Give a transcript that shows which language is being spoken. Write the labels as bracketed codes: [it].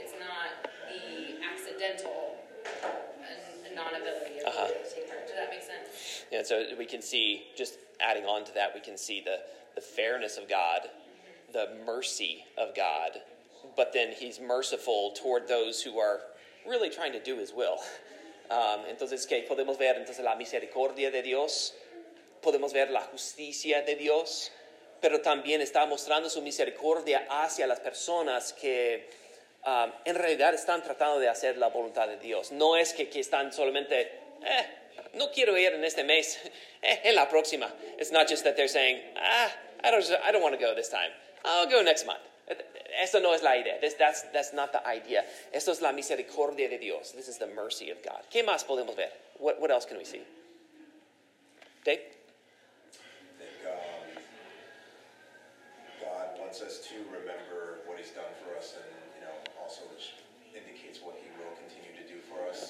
[en] It's not the accidental non-ability of uh-huh. to take part. Does that make sense? Yeah, so we can see, just adding on to that, we can see the fairness of God, the mercy of God, but then he's merciful toward those who are really trying to do his will. [es] Entonces, ¿qué podemos ver? Entonces, la misericordia de Dios, podemos ver la justicia de Dios, pero también está mostrando su misericordia hacia las personas que en realidad están tratando de hacer la voluntad de Dios. No es que están solamente, no quiero ir en este mes, en la próxima. [en] It's not just that they're saying, I don't want to go this time. I'll go next month. [es] Eso no es la idea. [en] That's not the idea. [es] Esto es la misericordia de Dios. [en] This is the mercy of God. [es] ¿Qué más podemos ver? [en] What else can we see? Dave? I think God wants us to remember what he's done for us and, you know, also which indicates what he will continue to do for us.